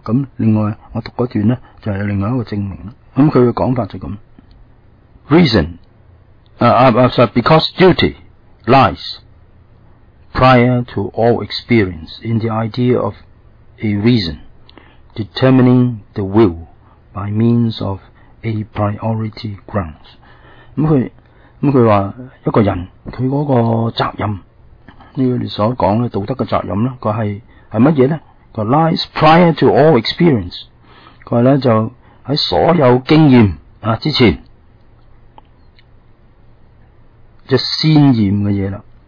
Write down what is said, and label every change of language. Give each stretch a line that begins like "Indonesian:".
Cantonese: 咁另外我讀嗰段咧就係另外一個證明。咁佢嘅講法就咁
English: ：reason because duty lies prior to all experience in the idea of a reason determining the will by means of A priority grounds。
Cantonese: 咁佢话一个人佢嗰个责任，你所讲嘅道德嘅责任咧，佢系乜嘢咧？
English: 佢 lies prior to all experience。
Cantonese: 佢咧就喺所有经验之前，就先验嘅嘢啦。